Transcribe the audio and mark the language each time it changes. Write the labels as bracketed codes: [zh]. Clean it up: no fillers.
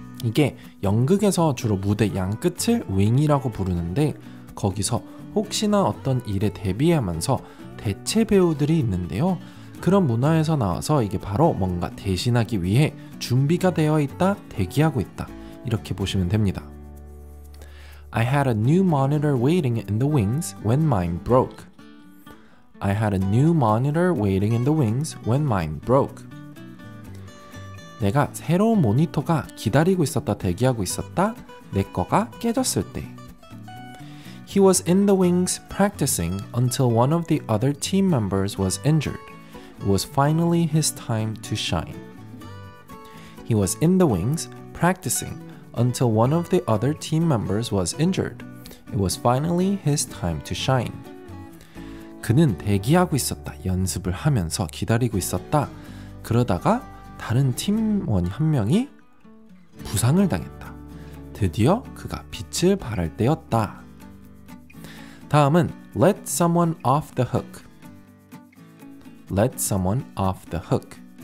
[ko] 이게 연극에서 주로 무대 양끝을 윙이라고 부르는데 거기서 혹시나 어떤 일에 대비하면서 대체 배우들이 있는데요. 그런 문화에서 나와서 이게 바로 뭔가 대신하기 위해 준비가 되어 있다, 대기하고 있다, 이렇게 보시면 됩니다. [en] I had a new monitor waiting in the wings when mine broke. I had a new monitor waiting in the wings when mine broke. [ko] 내가 새로운 모니터가 기다리고 있었다, 대기하고 있었다, 내 거가 깨졌을 때. [en] He was in the wings practicing until one of the other team members was injured. It was finally his time to shine. He was in the wings practicing until one of the other team members was injured. It was finally his time to shine. [ko] 그는 대기하고 있었다. 연습을 하면서 기다리고 있었다. 그러다가 다른 팀원 한 명이 부상을 당했다. 드디어 그가 빛을 발할 때였다. 다음은 [en] let someone off the hook. Let someone off the hook.